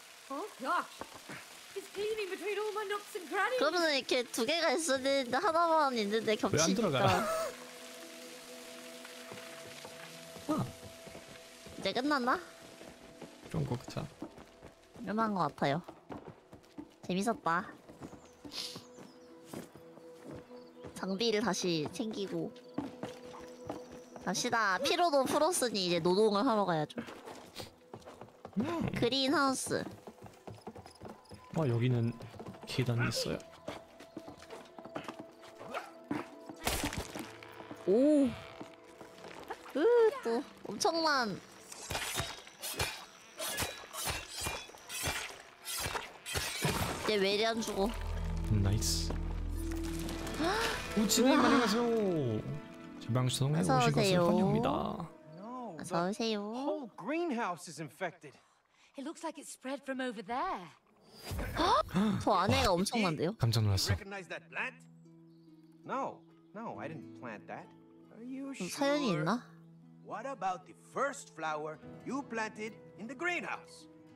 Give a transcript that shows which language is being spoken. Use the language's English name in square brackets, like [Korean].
[English] Oh gosh, he's cleaning between all my nooks and crannies. [Korean] 그러면 이렇게 두 개가 있었는데 하나만 있는데 겹치니까. 왜 안 들어가? 이제 끝났나? 좀 꼭차. 유명한 것 같아요. 재밌었다. 장비를 다시 챙기고 갑시다. 피로도 풀었으니 이제 노동을 하러 가야죠. 그린하우스. 아 여기는 계단이 있어요. 오. 또 엄청난. 이제 외리안 주고. 나이스. 우치님 안녕하세요. 지방시청 오신 것을 환영합니다. 어서 오세요. [English] Whole greenhouse is infected. It looks like it spread from over there. [Korean] 저 안에가 엄청난데요? 깜짝 놀랐어. [English] No, no, I didn't plant that. Are you sure? [Korean] 사연이 있나? [English] What about the first flower you planted in the greenhouse?